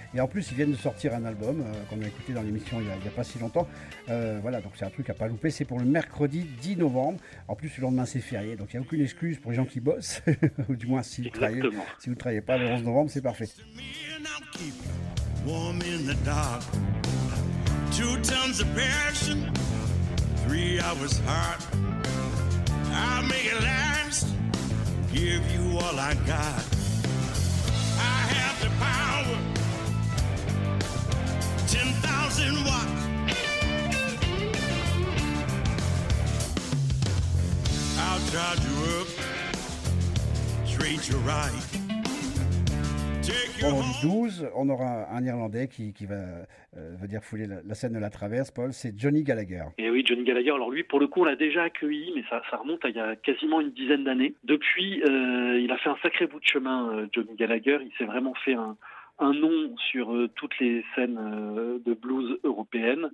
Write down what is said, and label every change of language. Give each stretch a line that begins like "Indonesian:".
French: Et en plus, ils viennent de sortir un album qu'on a écouté dans l'émission il n'y a pas si longtemps. Voilà, donc c'est un truc à ne pas louper. C'est pour le mercredi 10 novembre. En plus, le lendemain, c'est férié. Donc il n'y a aucune excuse pour les gens qui bossent. Ou du moins, si vous ne travaillez pas le 11 novembre, c'est parfait.
English: Two tons of passion, 3 hours hard. I'll make it last, give you all I got. I have the power, 10,000 watts. I'll charge you up, treat you right, take
French: vendredi 12, on aura un Irlandais qui va veut dire fouler la scène de la traverse, Paul, c'est Johnny Gallagher. Et oui, Johnny Gallagher, alors lui, pour le coup, on l'a déjà accueilli, mais ça remonte à il y a quasiment une dizaine d'années. Depuis, il a fait un sacré bout de chemin, Johnny Gallagher, il s'est vraiment fait un nom sur toutes les scènes de blues européennes.